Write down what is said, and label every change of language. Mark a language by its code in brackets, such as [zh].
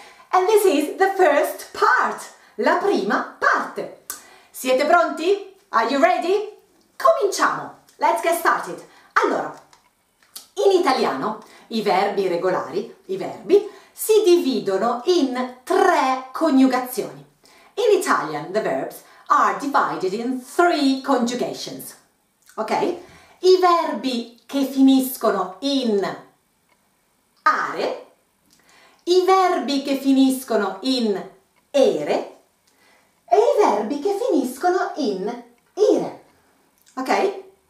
[en] And this is the first part, [it] la prima parte. Siete pronti? [en] Are you ready? [it] Cominciamo! [en] Let's get started! [it] Allora, in italiano i verbi regolari, i verbi, si dividono in tre coniugazioni. [en] In Italian the verbs are divided in three conjugations, ok? [it] I verbi che finiscono in are, i verbi che finiscono in ere e i verbi che finiscono in ire, ok?